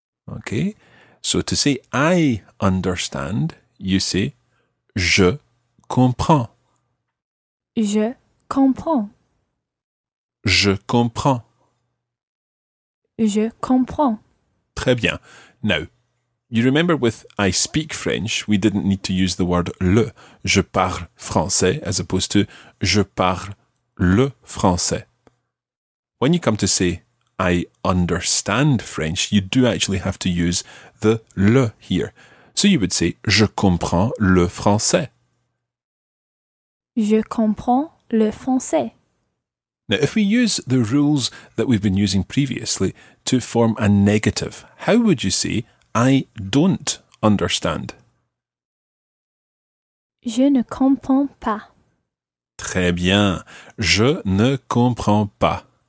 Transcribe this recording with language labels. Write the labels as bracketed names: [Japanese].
[English] Okay, so to say I understand, you say [French] je comprends. Je comprends. Je comprends. Je comprends. Très bien. [English] Now, you remember with I speak French, we didn't need to use the word le. [French] Je parle français [English] as opposed to [French] je parle le français. [English] When you come to say I understand French, you do actually have to use the le here. So you would say [French] je comprends le français. Je comprends le français. [English] Now, if we use the rules that we've been using previously to form a negative, how would you say, I don't understand? [French] Je ne comprends pas. Très bien. Je ne comprends pas.